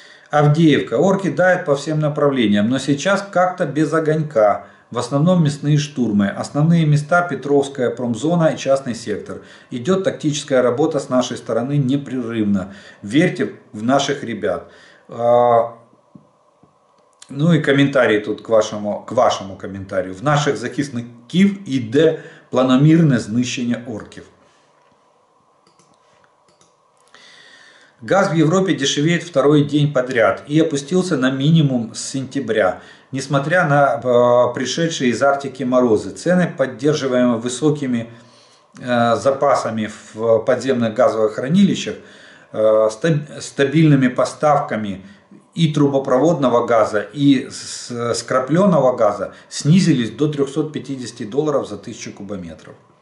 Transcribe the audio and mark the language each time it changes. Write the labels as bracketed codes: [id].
[ru] Авдеевка. Орки давят по всем направлениям, но сейчас как-то без огонька. В основном мясные штурмы. Основные места – Петровская промзона и частный сектор. Идет тактическая работа с нашей стороны непрерывно. Верьте в наших ребят. Ну и комментарии тут к вашему комментарию. [uk] В наших захисных Киев йде планомірне знищення орків. [ru] Газ в Европе дешевеет второй день подряд и опустился на минимум с сентября, несмотря на пришедшие из Арктики морозы. Цены, поддерживаемые высокими запасами в подземных газовых хранилищах, [uk] стабільними поставками і трубопроводного газу, і скрапленого газу знизились до 350 доларів за 1000 кубометрів.